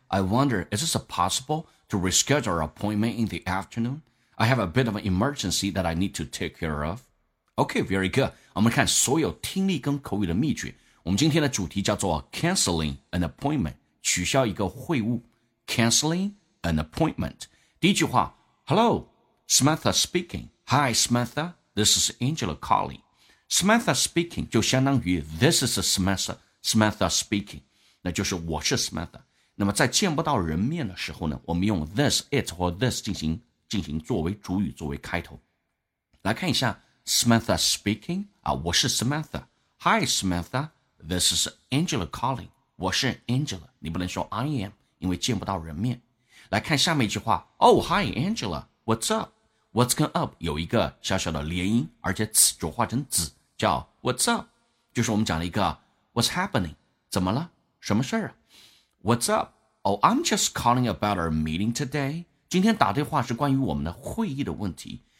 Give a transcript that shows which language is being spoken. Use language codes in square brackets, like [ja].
[en] I wonder, is this possible to reschedule our appointment in the afternoon? I have a bit of an emergency that I need to take care of. Okay, very good. [zh] 我们看所有听力跟口语的秘诀。我们今天的主题叫做 [en] canceling an appointment. [zh] 取消一个会晤 [en] Canceling an appointment 第一句话 Hello, Samantha speaking Hi, Samantha This is Angela calling Samantha speaking 就相当于 This is Samantha Samantha speaking [zh] 那就是我是 [en] Samantha [zh] 那么在见不到人面的时候呢我们用 [en] this, it 或 this [zh] 进行作为主语作为开头来看一下 Samantha speaking、啊、我是 Samantha Hi, Samantha [en] This is Angela calling [zh] 我是 Angela, 你不能说 I am, 因为见不到人面。来看下面一句话 [en] Oh, hi, Angela, what's up? What's going up? [zh] 有一个小小的连音而且子就化成子叫 What's up? 就是我们讲了一个 [en] What's happening? [zh] 怎么了什么事啊 What's up? [en] Oh, I'm just calling about our meeting today. [zh] 今天打电话是关于我们的会议的问题。